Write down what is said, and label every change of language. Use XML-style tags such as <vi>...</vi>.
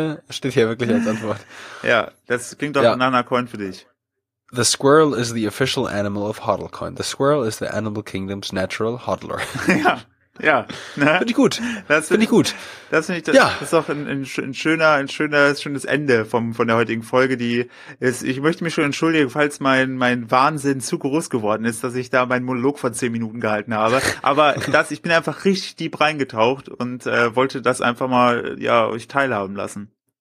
<de>Steht hier wirklich als Antwort. Ja, das klingt doch nach einer Coin für dich.</de> <en>The squirrel is the official animal of HODLcoin. The squirrel is the animal kingdom's natural hodler.</en> <de>Ja, ja. Ne? Finde ich gut. Das finde ich, das ist doch ein schönes Ende von der heutigen Folge, die ist, ich möchte mich schon entschuldigen, falls mein Wahnsinn zu groß geworden ist, dass ich da meinen Monolog von 10 Minuten gehalten habe. Aber ich bin einfach richtig deep reingetaucht und wollte das einfach mal, ja, euch teilhaben lassen.</de>